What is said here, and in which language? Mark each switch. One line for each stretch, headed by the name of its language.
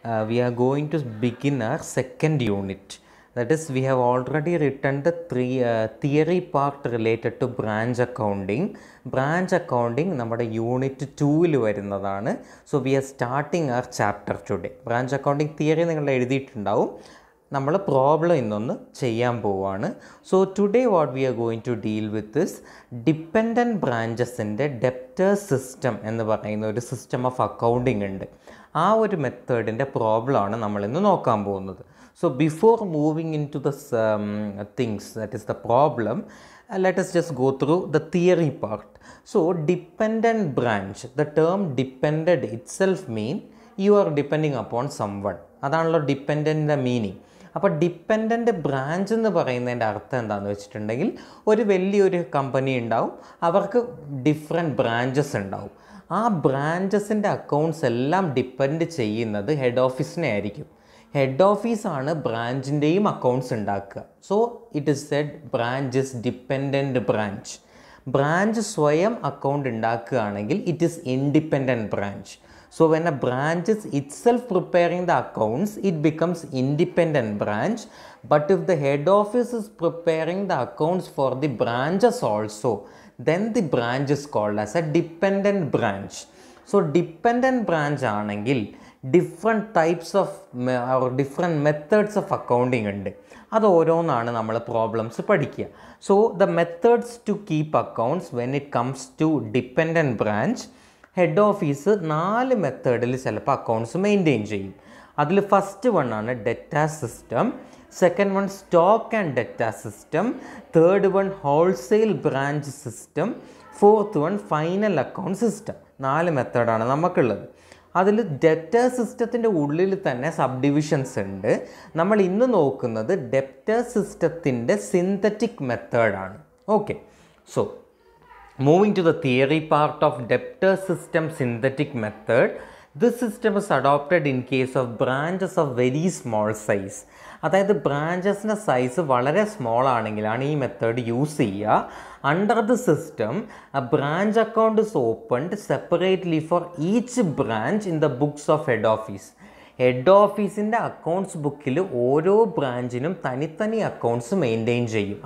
English: We are going to begin our second unit. That is, we have already written the theory part related to branch accounting. Branch accounting is our unit 2. So, we are starting our chapter today. Branch accounting theory is written.
Malayalam: നമ്മുടെ problem ഇന്നൊന്ന് ചെയ്യാൻ പോവുകയാണ്.
English: so today what we are going to deal with
Malayalam: is dependent ബ്രാഞ്ചസിൻ്റെ debtors system എന്ന് പറയുന്ന ഒരു system of accounting ഉണ്ട്. ആ ഒരു മെത്തേഡിൻ്റെ പ്രോബ്ലം ആണ് നമ്മളിന്ന് നോക്കാൻ പോകുന്നത്.
English: So before moving into the things that is the problem, let's just go through the theory part. So dependent branch, the term depend itself mean you are depending upon someone.
Malayalam: അതാണല്ലോ ഡിപ്പെൻഡൻ്റിൻ്റെ meaning. അപ്പോൾ dependent branch എന്ന് പറയുന്നതിൻ്റെ അർത്ഥം എന്താണെന്ന് വെച്ചിട്ടുണ്ടെങ്കിൽ, ഒരു വലിയൊരു company ഉണ്ടാവും, അവർക്ക് ഡിഫറെൻറ്റ് ബ്രാഞ്ചസ് ഉണ്ടാവും. ആ ബ്രാഞ്ചസിൻ്റെ അക്കൗണ്ട്സ് എല്ലാം ഡിപ്പെൻഡ് ചെയ്യുന്നത് ഹെഡ് ഓഫീസിനെ ആയിരിക്കും. ഹെഡ് ഓഫീസാണ് ബ്രാഞ്ചിൻ്റെയും അക്കൗണ്ട്സ് ഉണ്ടാക്കുക.
English: So it is said branch is dependent branch.
Malayalam: Branch സ്വയം അക്കൗണ്ട് ഉണ്ടാക്കുകയാണെങ്കിൽ
English: It is independent branch. So when a branch is itself preparing the accounts, it becomes independent branch. But if the head office is preparing the accounts for the branches also, then the branch is called as a dependent branch. So dependent branch aanengil different types of or different methods of accounting undu.
Malayalam: Adu oronaanu nammal problems padikkya.
English: So the methods to keep accounts when it comes to dependent branch,
Malayalam: head office നാല് മെത്തേഡിൽ ചിലപ്പോൾ accounts maintain ചെയ്യും. അതിൽ first one ആണ് data system, second one stock and data system, third one wholesale branch system, fourth one final account system. നാല് മെത്തേഡാണ് നമുക്കുള്ളത്. അതിൽ ഡെറ്റാ സിസ്റ്റത്തിൻ്റെ ഉള്ളിൽ തന്നെ സബ് ഡിവിഷൻസ് ഉണ്ട്. നമ്മൾ ഇന്ന് നോക്കുന്നത് ഡെറ്റാ സിസ്റ്റത്തിൻ്റെ സിന്തറ്റിക് മെത്തേഡാണ്.
English: Okay, so moving to the theory part of debtor system synthetic method, this system is adopted in case of branches of very small size.
Malayalam: അതായത് ബ്രാഞ്ചസിൻ്റെ സൈസ് വളരെ സ്മോൾ ആണെങ്കിലാണ് ഈ മെത്തേഡ് യൂസ് ചെയ്യുക.
English: Under the system a branch account is opened separately for each branch in the books of head office.
Malayalam: Head ഓഫീസിൻ്റെ accounts ബുക്കിൽ ഓരോ ബ്രാഞ്ചിനും തനിത്തനി accounts maintain ചെയ്യും.